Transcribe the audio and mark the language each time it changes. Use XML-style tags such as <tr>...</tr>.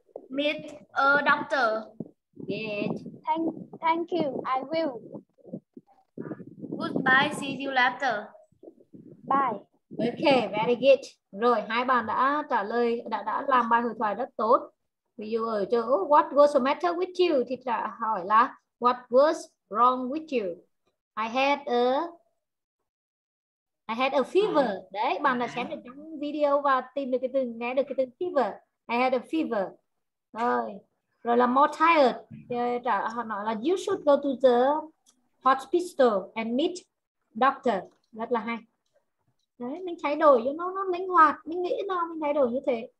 <en>Meet a doctor. Good. Thank you. I will. Goodbye. See you later. Bye. Okay. Very good.</en> <vi>Rồi hai bạn đã trả lời đã làm bài hội thoại rất tốt. Ví dụ ở chỗ</vi> <en>what was the matter with you</en> <vi>thì đã hỏi là</vi> <en>what was wrong with you? I had a I had a fever.</en> <vi>Đấy, bạn đã xem được trong video và tìm được cái từ, nghe được cái từ fever.</vi> <en>I had a fever.</en> <vi>Rồi, rồi là</vi> <en>more tired.</en> <vi>Họ nói là</vi> <en>you should go to the hospital and meet doctor.</en> <vi>Rất là hay. Đấy, mình thay đổi cho nó linh hoạt. Mình nghĩ nó mình thay đổi như thế.</vi>